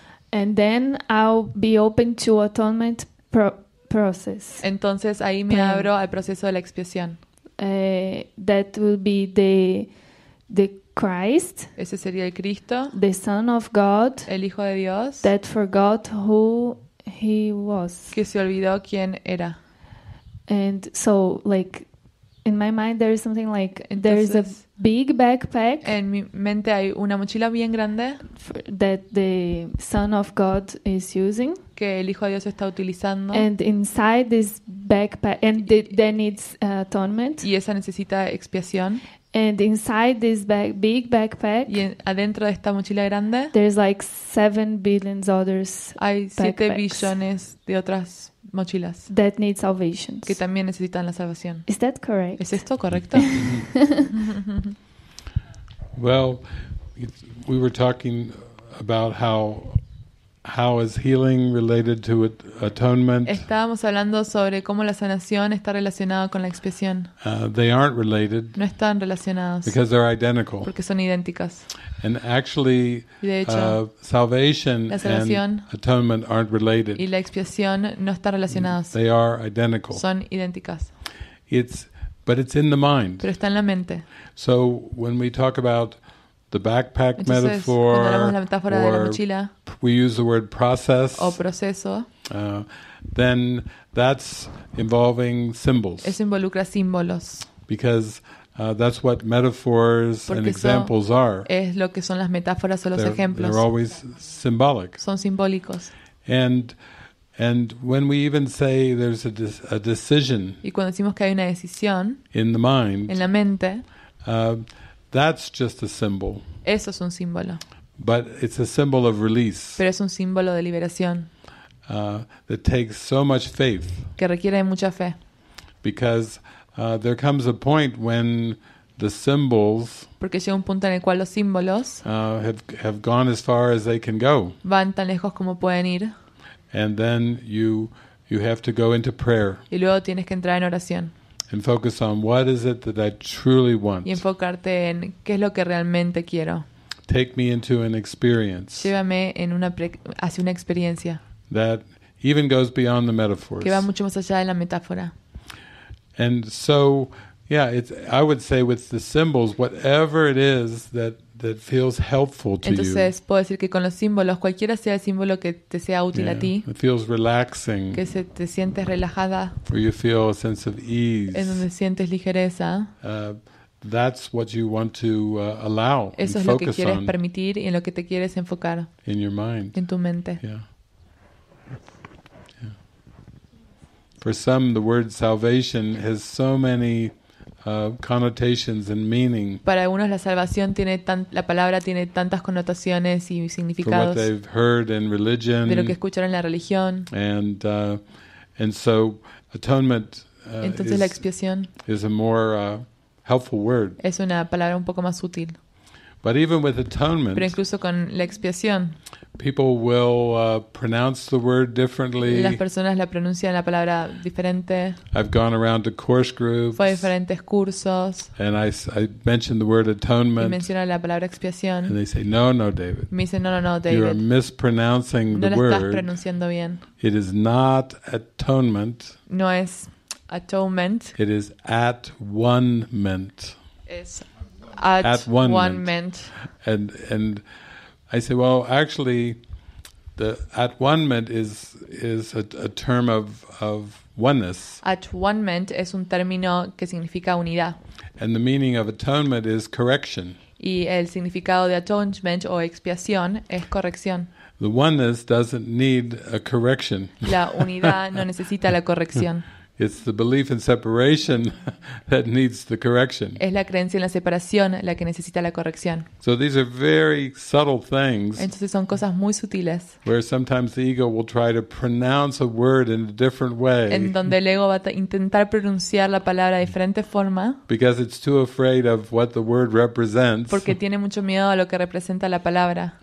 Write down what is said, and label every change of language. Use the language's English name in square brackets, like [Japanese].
[English] and then I'll be open to atonement process. [Spanish] Entonces ahí me abro al proceso de la expiación. [English] That will be the Christ, [Spanish] ese sería el Cristo, [English] the Son of God, [Spanish] el Hijo de Dios, [English] that forgot who he was, [Spanish] que se olvidó quién era. [English] And so, like, in my mind, there is something like entonces, there is a big backpack. [Spanish] En mi mente hay una mochila bien grande [English] that the Son of God is using, [Spanish] que el Hijo de Dios está utilizando. [English] And inside this backpack, and then it's atonement. [Spanish] Y esa necesita expiación. [English] And inside this bag, big backpack, [Spanish] y adentro de esta mochila grande, [English] there's like 7 billion others. [Spanish] Hay 7 billones de otras mochilas. [English] That need salvations. [Spanish] Que también necesitan la salvación. [English] Is that correct? [Spanish] ¿Es esto correcto? [English] Well, we were talking about how is healing related to atonement. [Spanish] Estábamos hablando sobre cómo la sanación está relacionada con la expiación. [English] They aren't related. [Spanish] No están relacionados. [English] Because they're identical. [Spanish] Porque son idénticas. [English] And actually, [Spanish] de hecho, [English] salvation and atonement aren't related. [Spanish] Y la expiación no están relacionados. [English] They are identical. [Spanish] Son idénticas. [English] But it's in the mind. [Spanish] Pero está en la mente. [English] So when we talk about the backpack [Spanish] Entonces, [English] metaphor, [Spanish] cuando hablamos la metáfora [English] or [Spanish] de la mochila, [English] we use the word process, [Spanish] o proceso, [English] then that's involving symbols. [Spanish] Eso involucra símbolos. [English] Because that's what metaphors [Spanish] Porque [English] and examples are. [Spanish] Es lo que son las metáforas o los [English] they're, [Spanish] ejemplos. [English] They're always symbolic. [Spanish] Son simbólicos. [English] And when we even say there's a decision, [Spanish] y cuando decimos que hay una decisión, [English] in the mind, [Spanish] en la mente, [English] that's just a symbol. [Spanish] Eso es un símbolo. [English] But it's a symbol of release. [Spanish] Pero es un símbolo de liberación. [English] That takes so much faith. [Spanish] Que requiere mucha fe. [English] Because there comes a point when the symbols. [Spanish] Porque llega un punto en el cual los símbolos. [English] Have gone as far as they can go. [Spanish] Van tan lejos como pueden ir. [English] And then you have to go into prayer. [Spanish] Y luego tienes que entrar en oración. [English] And focus on what is it that I truly want. [Spanish] Y enfocarte en qué es lo que realmente quiero. [English] Take me into an experience. [Spanish] Llévame en una hacia una experiencia. [English] That even goes beyond the metaphors. [Spanish] Que va mucho más allá de la metáfora. [English] And so, yeah, it's I would say with the symbols, whatever it is that feels helpful to [Spanish] Entonces, [English] you. [Spanish] Entonces puedo decir que con los símbolos, cualquiera sea el símbolo que te sea útil [English] yeah, [Spanish] a ti. [English] It feels relaxing. [Spanish] Que se te sientes relajada. [English] Where you feel a sense of ease. [Spanish] En donde sientes ligereza. [English] That's what you want to allow and focus on. [Spanish] Eso es lo que quieres permitir y en lo que te quieres enfocar. [English] In your mind. [Spanish] En tu mente. [English] Yeah. For some, the word salvation has so many connotations and meaning. [Spanish] Para algunos la salvación tiene la palabra tiene tantas connotaciones y significados. [English] For what they've heard in religion. [Spanish] De lo que escucharon en la religión. [English] And so atonement. [Spanish] Entonces la expiación. [English] Is a more helpful word. [Spanish] Es una palabra un poco más útil. [English] But even with atonement. [Spanish] Pero incluso con la expiación. [English] People will pronounce the word differently. [Spanish] Las personas la pronuncian la palabra diferente. [English] I've gone around to course groups. [Spanish] Fui a diferentes cursos. [English] And I mentioned the word atonement. [Spanish] Y menciono la palabra expiación. [English] And they say, no, no, David. [Spanish] Me dicen, no, David. [English] You're mispronouncing the word. [Spanish] No lo estás pronunciando bien. [English] It is not atonement. [Spanish] No es atonement. [English] It is at-one-ment. [Spanish] Es at-one-ment. [English] And I say, well, actually, the at-one-ment is a term of oneness. [Spanish] At-one-ment es un término que significa unidad. [English] And the meaning of atonement is correction. [Spanish] Y el significado de atonement o expiación es corrección. [English] The oneness doesn't need a correction. [Spanish] La unidad no necesita la corrección. [English] It's the belief in separation that needs the correction. [Spanish] Es la creencia en la separación la que necesita la corrección. [English] So these are very subtle things. [Spanish] Entonces son cosas muy sutiles. [English] Where sometimes the ego will try to pronounce a word in a different way. [Spanish] En donde el ego va a intentar pronunciar la palabra de diferente forma. [English] Because it's too afraid of what the word represents. [Spanish] Porque tiene mucho miedo a lo que representa la palabra.